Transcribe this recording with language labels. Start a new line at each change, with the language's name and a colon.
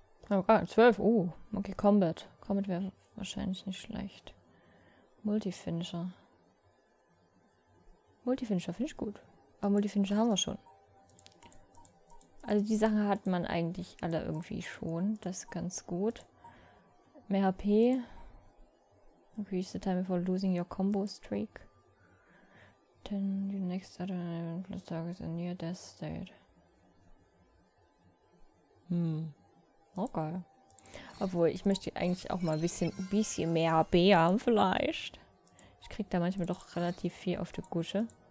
German: Oh Gott, 12. Okay, Combat. Combat wäre wahrscheinlich nicht schlecht. Multifinisher. Multifinisher finde ich gut. Aber Multifinisher haben wir schon. Also die Sachen hat man eigentlich alle irgendwie schon. Das ist ganz gut. Mehr HP.
English: Increase the time before losing your combo streak. Then your next other element plus target is a near death state.
German: Okay. Obwohl, ich möchte eigentlich auch mal ein bisschen mehr HP haben, vielleicht. Ich krieg da manchmal doch relativ viel auf die Gusche.